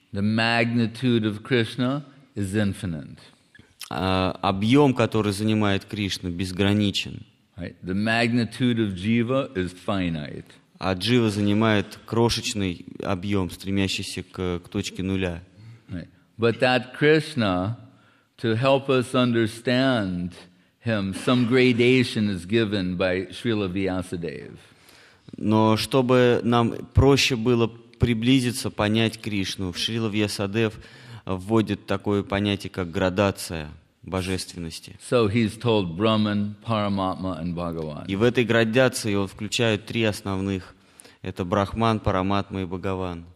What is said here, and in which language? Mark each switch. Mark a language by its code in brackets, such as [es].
[en] The magnitude of Krishna is infinite. [ru] объем, который занимает Кришна, безграничен. [en] Right. The magnitude of Jiva is finite. [ru] А Джива занимает крошечный объем, стремящийся к точке нуля. [en] Right. But that Krishna, to help us understand him, some gradation is given by Srila Vyasadeva. [ru] Но чтобы нам проще было приблизиться, понять Кришну, Шрила Вьясадев вводит такое понятие, как градация божественности. [en] So he's told Brahman, Paramatma, and Bhagavan. [ru] И в этой градации он включает три основных. Это Брахман, Параматма и Бхагаван.